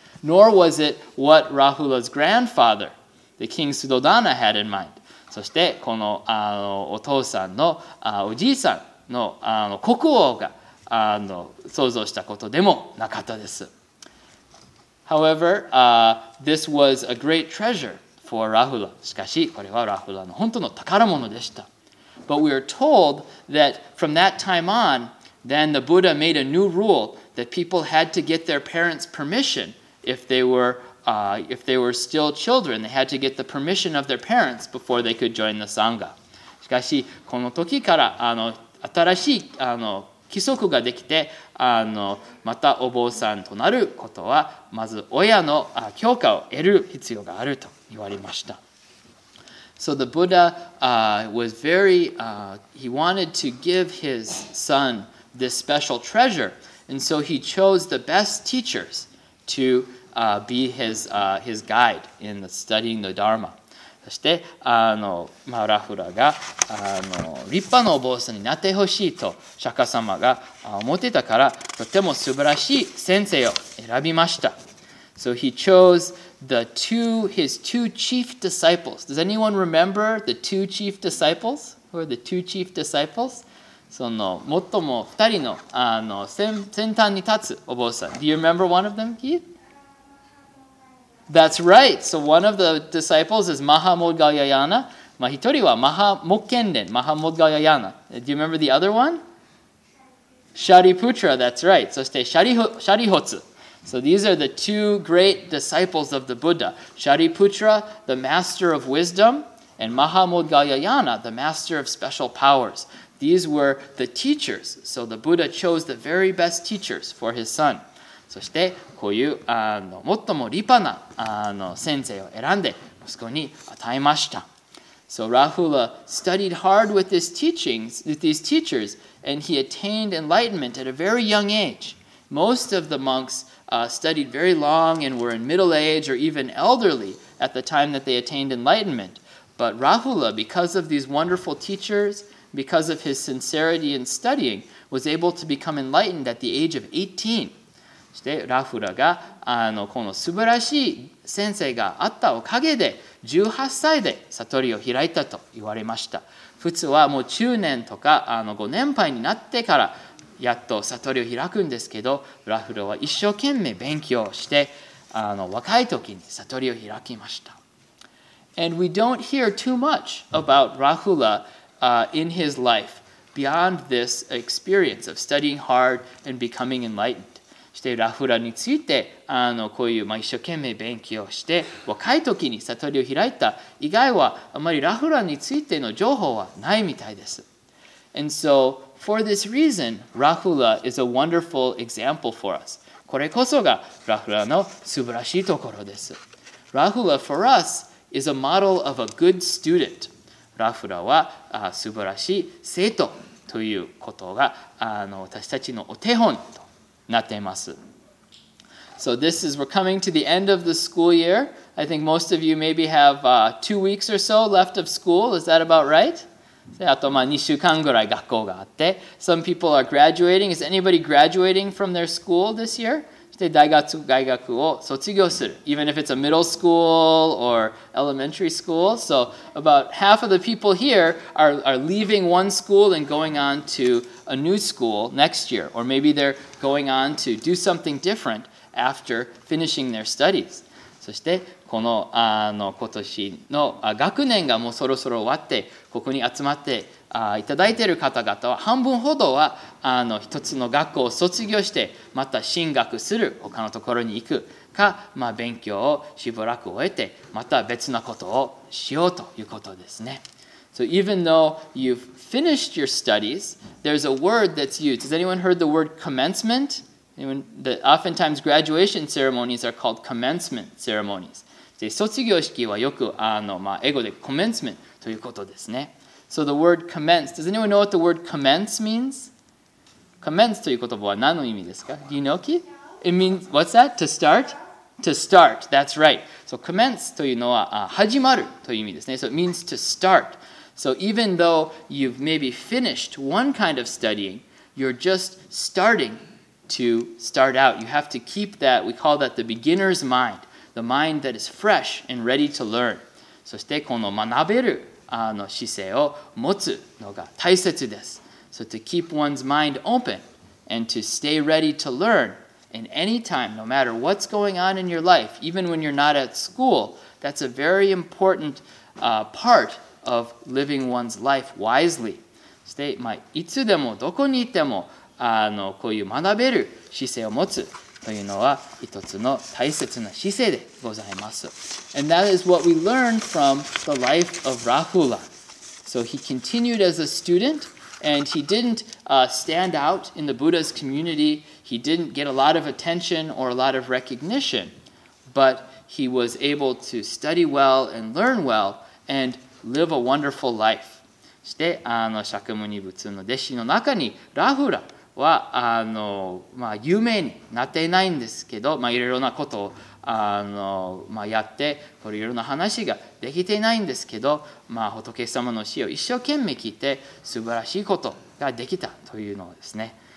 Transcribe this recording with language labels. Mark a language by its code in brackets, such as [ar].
[en] Nor was it what Rahula's grandfather, the King Suddhodana, had in mind. [ja] そしてこのお父さんのおじいさんの国王が想像したことでもなかったです。 [en] However, this was a great treasure for Rahula. [ja] しかしこれはラフラの本当の宝物でした。 [en] But we are told that from that time on, then the Buddha made a new rule that people had to get their parents' permission if they were still children, they had to get the permission of their parents before they could join the Sangha. [ja] しかし、この時から新しい規則ができて、またお坊さんとなることは、まず親の許可を得る必要があると言われました。 [en] So the Buddha was very, he wanted to give his son this special treasure, and so he chose the best teachers to... be his guide in the studying the Dharma. [ja] そしてマラフラが立派なお坊さんになってほしいと釈迦様が思ってたからとても素晴らしい先生を選びました。 [en] So he chose his two chief disciples. Does anyone remember the two chief disciples? Who are the two chief disciples? [ja] その最も二人の先端に立つお坊さん。 [en] Do you remember one of them, Keith? That's right. So one of the disciples is Mahamoggallayana. [ja] まあ一人は Mahamokkenden, Mahamoggallayana. [en] Do you remember the other one? Shariputra, that's right. [ja] そして [en] Sharihotsu. So these are the two great disciples of the Buddha. Shariputra, the master of wisdom, and Mahamoggallayana, the master of special powers. These were the teachers. So the Buddha chose the very best teachers for his son. [ja] そしてこういう最も立派な先生を選んで息子に与えました。 [en] So Rahula studied hard with his teachings, with these teachers, and he attained enlightenment at a very young age. Most of the monks studied very long and were in middle age or even elderly at the time that they attained enlightenment. But Rahula, because of these wonderful teachers, because of his sincerity in studying, was able to become enlightened at the age of 18. [ja] そしてラフラがこの素晴らしい先生があったおかげで18歳で悟りを開いたと言われました。普通はもう中年とか5年配になってからやっと悟りを開くんですけど、ラフラは一生懸命勉強して若い時に悟りを開きました。 [en] And we don't hear too much about Rahula in his life beyond this experience of studying hard and becoming enlightened. [ja] そしてラフラについてこういう一生懸命勉強して若い時に悟りを開いた以外はあまりラフラについての情報はないみたいです。 [en] And so for this reason, Rahula is a wonderful example for us. [ja] これこそがラフラの素晴らしいところです。 [en] Rahula for us is a model of a good student. [ja] ラフラは素晴らしい生徒ということが私たちのお手本と。 [en] So this is, we're coming to the end of the school year. I think most of you maybe have 2 weeks or so left of school. Is that about right? [ja] あと2週間ぐらい学校があって。 [en] Some people are graduating. Is anybody graduating from their school this year? [ja] して大学、外学を卒業する。 [en] Even if it's a middle school or elementary school. So about half of the people here are leaving one school and going on to a new school next year. Or maybe they're going on to do something different after finishing their studies. [ja] そしてこの、あの、今年の、あ、学年がもうそろそろ終わって、ここに集まって、あ、いただいている方々は半分ほどは、あの、一つの学校を卒業してまた進学する、他のところに行くか、まあ、勉強をしばらく終えてまた別なことをしようということですね。 [en] So even though you've finished your studies, there's a word that's used. Has anyone heard the word commencement? Oftentimes graduation ceremonies are called commencement ceremonies. [ja] で、卒業式はよく、あの、まあ、英語で commencement ということですね。 [en] So the word commence, does anyone know what the word commence means? [ja] Commence という言葉は何の意味ですか? [en] Do you know, Keith? It means, what's that? To start? To start, that's right. So [ja] commence というのは始まるという意味ですね。 [en] So it means to start. So even though you've maybe finished one kind of studying, you're just starting to start out. You have to keep that, we call that the beginner's mind, the mind that is fresh and ready to learn. [ja] そしてこの学べる、あの、姿勢を持つのが大切です。 [en] So to keep one's mind open and to stay ready to learn in any time, no matter what's going on in your life, even when you're not at school, that's a very important, part of living one's life wisely. [ja] そして、まあ、いつでもどこにいても、あの、こういう学べる姿勢を持つというのは一つの大切な姿勢でございます。 [en] And that is what we learned from the life of Rahula. So he continued as a student, and he didn't, stand out in the Buddha's community. He didn't get a lot of attention or a lot of recognition, but he was able to study well and learn well and live a wonderful life. [ja] そして、あの、釈迦牟尼仏の弟子の中に、ラフーラは、あの、まあ、有名になっていないんですけど、まあ、いろいろなことを、あの、まあ、やって、これいろいろな話ができていないんですけど、まあ、仏様の死を一生懸命聞いて素晴らしいことができたというのですね。